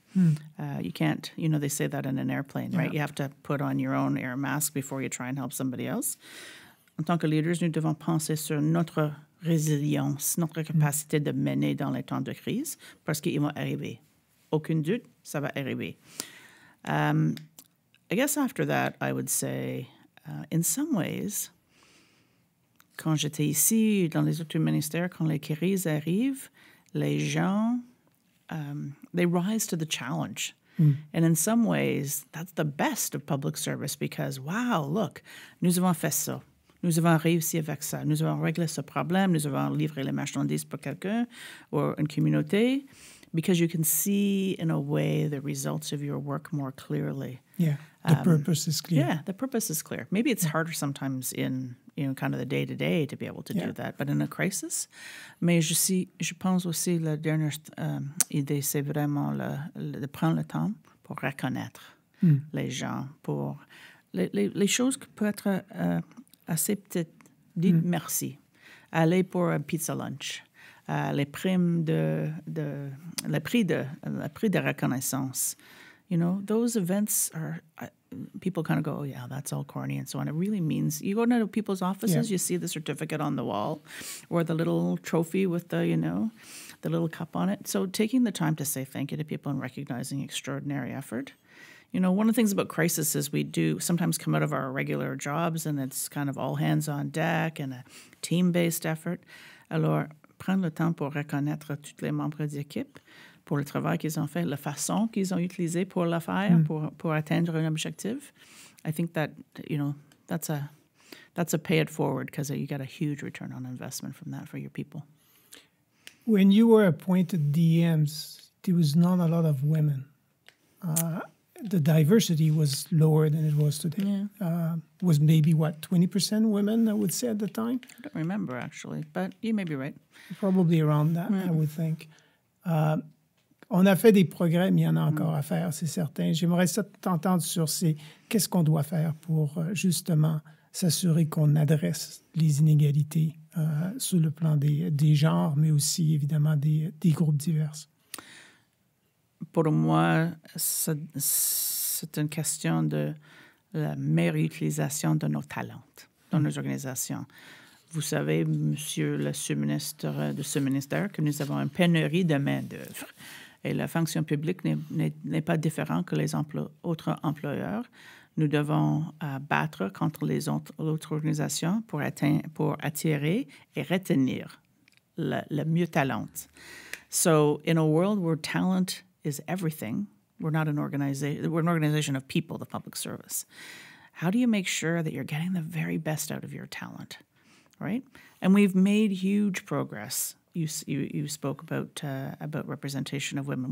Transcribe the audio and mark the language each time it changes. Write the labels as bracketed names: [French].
[English] You can't, you know, they say that in an airplane, right? You have to put on your own air mask before you try and help somebody else. [French] En tant que leaders, nous devons penser sur notre résilience, notre capacité de mener dans les temps de crise, parce qu'ils vont arriver. Aucun doute, ça va arriver. [English] I guess after that, I would say, in some ways, [French] quand j'étais ici, dans les autres ministères, quand les crises arrivent, les gens, [English] they rise to the challenge. And in some ways, that's the best of public service because, wow, look, [French] nous avons fait ça. Nous avons réussi avec ça. Nous avons réglé ce problème. Nous avons livré les marchandises pour quelqu'un or une communauté. [English] Because you can see, in a way, the results of your work more clearly. Yeah, the purpose is clear. Yeah, the purpose is clear. Maybe it's harder sometimes in, you know, kind of the day-to-day to be able to do that. But in a crisis, [French] mais je pense aussi la dernière idée, c'est vraiment de prendre le temps pour reconnaître les gens, pour les choses qui peuvent être assez petites. Dites merci. Aller pour un pizza lunch. Les primes le prix de reconnaissance, [English] you know, those events are people kind of go, oh yeah, that's all corny and so on. It really means you go into people's offices, you see the certificate on the wall, or the little trophy with the, you know, the little cup on it. So taking the time to say thank you to people and recognizing extraordinary effort. You know, one of the things about crisis is we do sometimes come out of our regular jobs and it's kind of all hands on deck and a team-based effort. [French] Alors prendre le temps pour reconnaître tous les membres d'équipe pour le travail qu'ils ont fait, la façon qu'ils ont utilisé pour le faire, pour atteindre un objectif. [English] I think that, you know, that's a pay it forward because you get a huge return on investment from that for your people. When you were appointed DMs, there was not a lot of women. The diversity was lower than it was today. Yeah. Was maybe, what, 20% women, I would say, at the time? I don't remember, actually, but you may be right. Probably around that, I would think. [French] On a fait des progrès, mais il y en a encore à faire, c'est certain. J'aimerais t'entendre sur ces qu'est-ce qu'on doit faire pour, justement, s'assurer qu'on adresse les inégalités sur le plan des genres, mais aussi, évidemment, des groupes divers. Pour moi, c'est une question de la meilleure utilisation de nos talents dans nos organisations. Vous savez, monsieur le sous-ministre de ce ministère, que nous avons une pénurie de main-d'œuvre. Et la fonction publique n'est pas différente que les autres employeurs. Nous devons battre contre les autres organisations pour attirer et retenir le mieux talent. [English] So, in a world where talent is everything. We're not an organization. We're an organization of people, the public service. How do you make sure that you're getting the very best out of your talent, right? And we've made huge progress. You spoke about representation of women.